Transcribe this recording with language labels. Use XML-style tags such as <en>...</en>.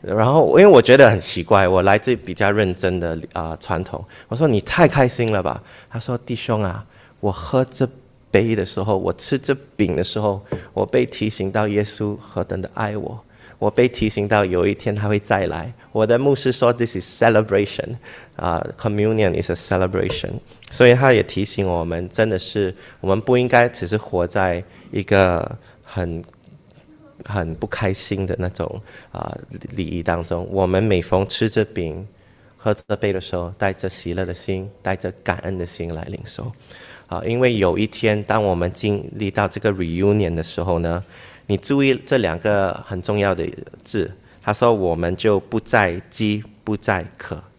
<zh>然后因为我觉得很奇怪，我来自比较认真的传统。我说：“你太开心了吧？” 他说：“弟兄啊，我喝这杯的时候，我吃这饼的时候，我被提醒到耶稣何等的爱我，我被提醒到有一天他会再来。” 我的牧师说</zh> <en>：“This is celebration, communion is a celebration。”</en> <zh>所以他也提醒我们，真的是我们不应该只是活在一个很不开心的那种礼仪当中。我们每逢吃着饼、喝着杯的时候，带着喜乐的心，带着感恩的心来领受因为有一天，当我们经历到这个 reunion 的时候呢，你注意这两个很重要的字。他说：“我们就不再饥，不再渴。”</zh>